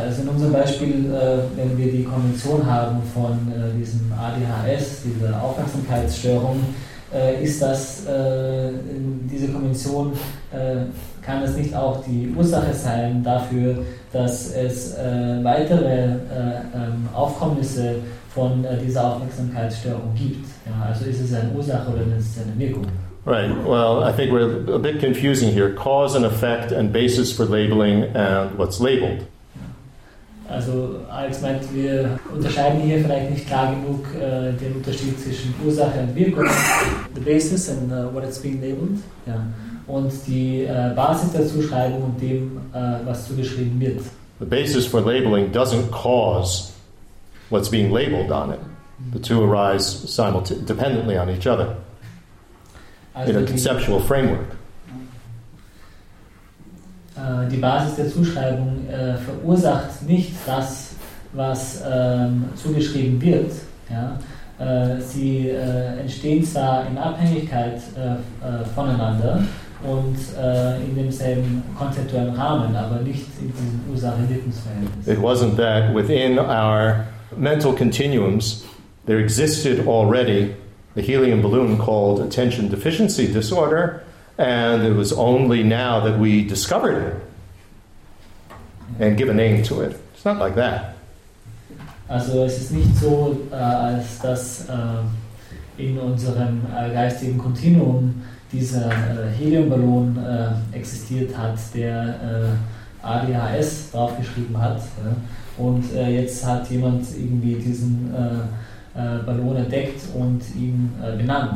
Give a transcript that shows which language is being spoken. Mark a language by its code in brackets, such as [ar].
[de] Also in unserem Beispiel, wenn wir die Konvention haben von diesem ADHS, dieser Aufmerksamkeitsstörung, ist das, diese Konvention, kann das nicht auch die Ursache sein dafür, dass es weitere Aufkommnisse von dieser Aufmerksamkeitsstörung gibt? Ja, also ist es eine Ursache oder ist es eine Wirkung? [en] Right. Well, I think we're a bit confusing here. Cause and effect and basis for labeling and what's labeled. [de] Also, als meint, wir unterscheiden hier vielleicht nicht klar genug den Unterschied zwischen Ursache und Wirkung, [en] the basis and what it's being labeled, [de] und die Basis der Zuschreibung und dem, was zugeschrieben wird. [en] The basis for labeling doesn't cause what's being labeled on it. The two arise dependently on each other. In a conceptual framework. [de] Die Basis der Zuschreibung verursacht nicht das, was zugeschrieben wird. Ja? Sie entstehen zwar in Abhängigkeit voneinander und in demselben konzeptuellen Rahmen, aber nicht in diesem Ursache-Wirkungsverhältnis. [en] It wasn't that within our mental continuums there existed already the helium balloon called attention deficiency disorder, and it was only now that we discovered it and give a name to it. It's not like that. [de] Also es ist nicht so, als dass in unserem geistigen Kontinuum dieser Heliumballon existiert hat, der ADHS draufgeschrieben hat. Ja? Und jetzt hat jemand irgendwie diesen Ballon entdeckt und ihn benannt.